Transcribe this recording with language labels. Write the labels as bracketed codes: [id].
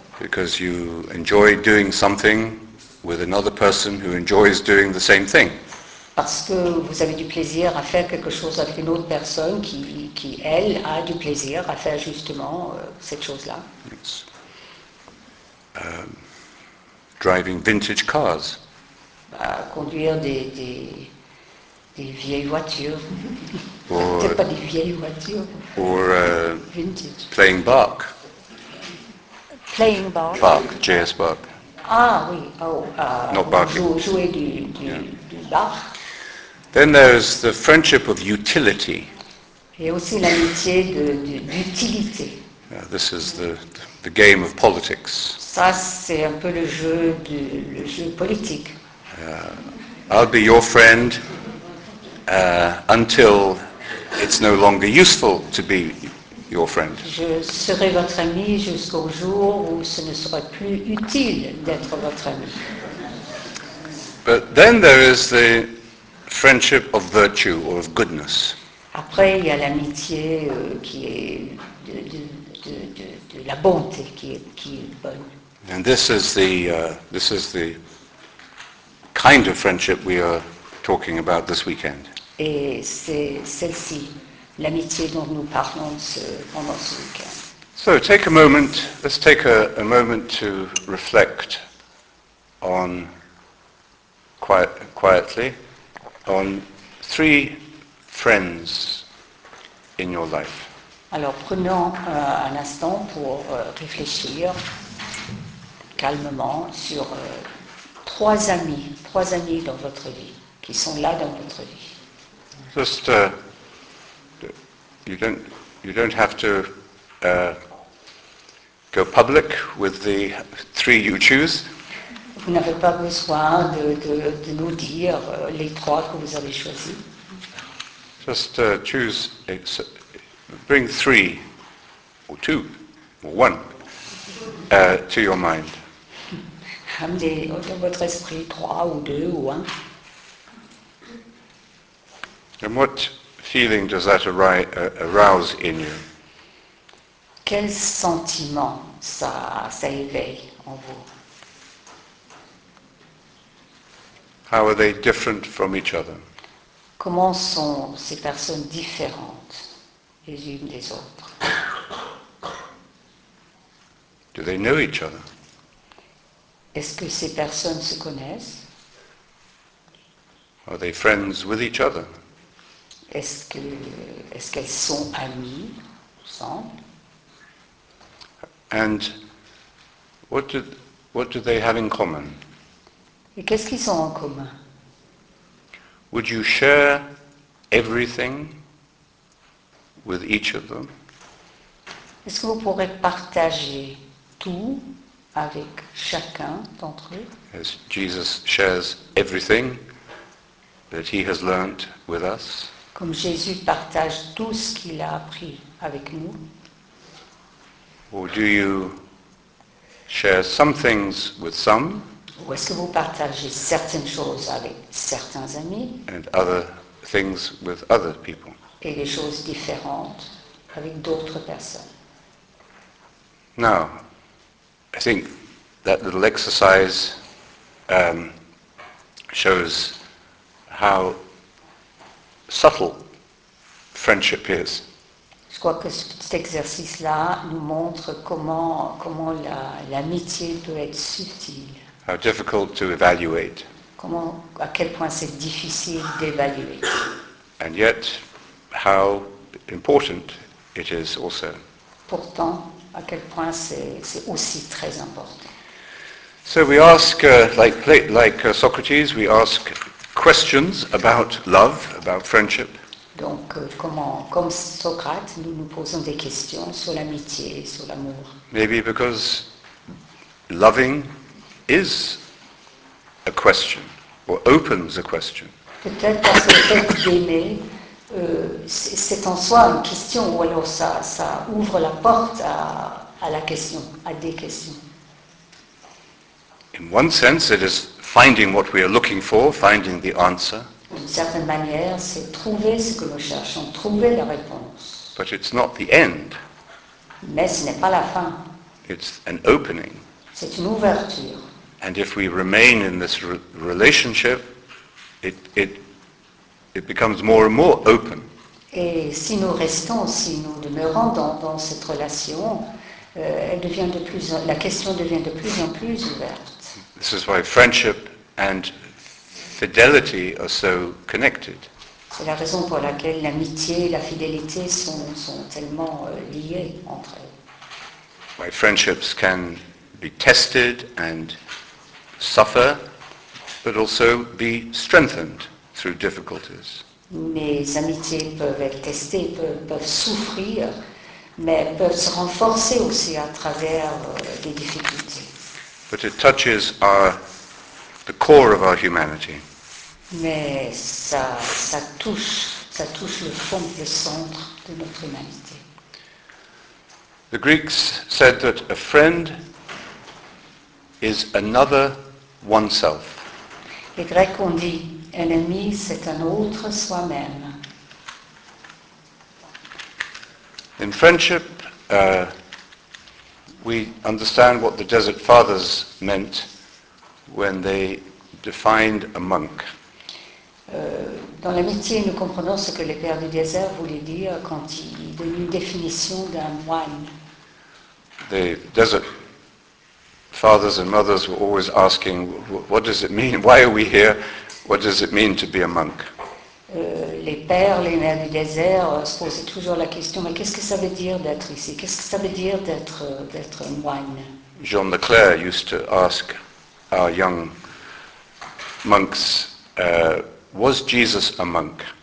[en] Because you enjoy doing something with another person who enjoys doing the same thing. [fr] Parce que vous avez du plaisir à faire quelque chose avec une autre personne qui elle, a du plaisir à faire justement cette chose-là. [en] It's, driving vintage cars. [fr] Conduire des vieilles voitures. Peut-être pas des vieilles voitures. [en] Or vintage. Playing Bach. Playing Bach. Bach, J.S. Bach. [fr] Ah oui, oh, [en] not Bach. [fr] Jouer du Bach. [en] Then there's the friendship of utility. [fr] Et aussi l'amitié d'utilité. [en] This is the game of politics. [fr] Ça, c'est un peu le jeu politique. [en] I'll be your friend until it's no longer useful to be your friend. [fr] Je serai votre ami jusqu'au jour où ce ne sera plus utile d'être votre ami. [en] But then there is the friendship of virtue or of goodness. [fr] Après, il y a l'amitié qui est de la bonté qui est bonne. [en] And this is the kind of friendship we are talking about this weekend. [fr] Et c'est celle-ci, l'amitié dont nous parlons pendant ce week-end. [en] So take a moment. Let's take a moment to reflect on quietly. On three friends in your life. [fr] Alors prenons un instant pour réfléchir calmement sur trois amis dans votre vie, qui sont là dans votre vie. [en] Just you don't have to go public with the three you choose. [fr] Vous n'avez pas besoin de nous dire les trois que vous avez choisis. [en] Just choose, bring three, or two, or one, to your mind. [fr] Amenez dans votre esprit trois ou deux ou un. [en] And what feeling does that arouse in you? [fr] Quel sentiment ça éveille en vous? [en] How are they different from each other? [fr] Comment sont ces personnes différentes les unes des autres? [en] Do they know each other? [fr] Est-ce que ces personnes se connaissent? [en] Are they friends with each other? [fr] Est-ce qu'elles sont amies ensemble? [en] And what do they have in common? [fr] Et qu'est-ce qu'ils ont en commun? [en] Would you share everything with each of them? [fr] Est-ce que vous pourrez partager tout avec chacun d'entre eux? [en] As Jesus shares everything that he has learned with us. [fr] Comme Jésus partage tout ce qu'il a appris avec nous. [en] Or do you share some things with some? [fr] Ou est-ce que vous partagez certaines choses avec certains amis? [en] And other things with other people. [fr] Et des choses différentes avec d'autres personnes. [en] Now, I think that little exercise shows how subtle friendship is. [fr] Je crois que cet exercice-là nous montre comment l'amitié peut être subtile. [en] How difficult to evaluate. [fr] Comment, à quel point c'est difficile d'évaluer. [en] And yet, how important it is also. [fr] Pourtant, à quel point c'est aussi très important. [en] So we ask, like Socrates, we ask questions about love, about friendship. [fr] Donc, comme Socrate, nous posons des questions sur l'amitié, sur l'amour. [en] Maybe because loving is a question, or opens a question. [fr] Peut-être parce que le fait d'aimer, c'est en soi une question, ou alors ça ouvre la porte à la question, à des questions. [en] In one sense, it is finding what we are looking for, finding the answer. [fr] D'une certaine manière, c'est trouver ce que nous cherchons, trouver la réponse. [en] But it's not the end. [fr] Mais ce n'est pas la fin. [en] It's an opening. [fr] C'est une ouverture. [en] And if we remain in this relationship, it becomes more and more open. [fr] Et si nous restons, si nous demeurons dans cette relation, elle devient de plus en, la question devient de plus en plus ouverte. [en] This is why friendship and fidelity are so connected. [fr] C'est la raison pour laquelle l'amitié et la fidélité sont tellement liées entre elles. [en] Why friendships can be tested and suffer, but also be strengthened through difficulties. [fr] Mes amitiés peuvent être testées, peuvent souffrir, mais peuvent se renforcer aussi à travers des difficultés. [en] But it touches the core of our humanity. [fr] Mais ça touche le fond, le centre de notre humanité. [en] The Greeks said that a friend is another oneself. [fr] Les Grecs ont dit, un ami, c'est un autre soi-même. [en] In friendship, we understand what the Desert Fathers meant when they defined a monk. [fr] Dans l'amitié, nous comprenons ce que les pères du désert voulaient dire quand ils donnaient une définition d'un moine. [en] The Desert Fathers and mothers were always asking, what does it mean? Why are we here? What does it mean to be a monk? [fr] Les pères, les mères du désert se posaient toujours la question, mais qu'est-ce que ça veut dire d'être ici? Qu'est-ce que ça veut dire d'être un moine? [en] Jean Leclerc used to ask our young monks, was Jesus a monk?